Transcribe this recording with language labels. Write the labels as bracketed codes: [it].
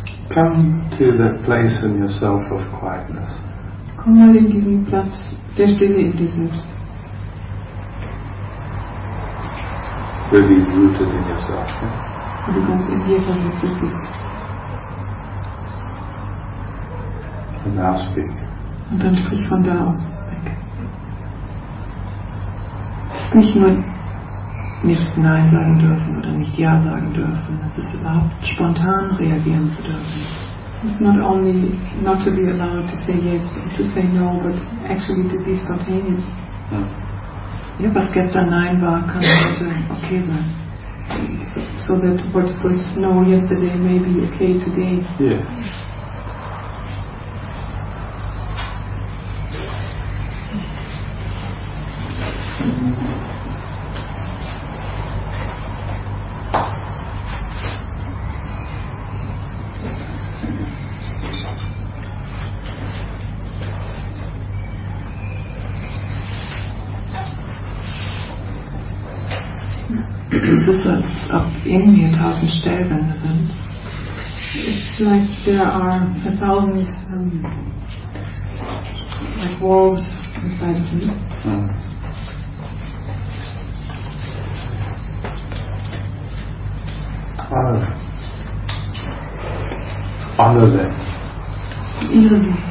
[en] Come to the place in yourself of quietness. [de] Komm mal in diesen Platz der Stille in dir selbst. [en] Really rooted in yourself. [de] Yeah? Wo du ganz in dir verwurzelt bist. [en] And now speak. [de] Und dann sprich von da aus weg. Nicht nur nicht Nein sagen dürfen oder nicht Ja sagen dürfen. Es ist überhaupt spontan reagieren zu dürfen. [en] It's not only not to be allowed to say yes or to say no, but actually to be spontaneous. [de] Ja, was gestern Nein war, kann heute okay sein. [en] So that what was no yesterday may be okay today. Yeah. [de] Es ist, als ob in mir tausend Stellwände sind. [en] It's like there are a thousand like walls inside of me.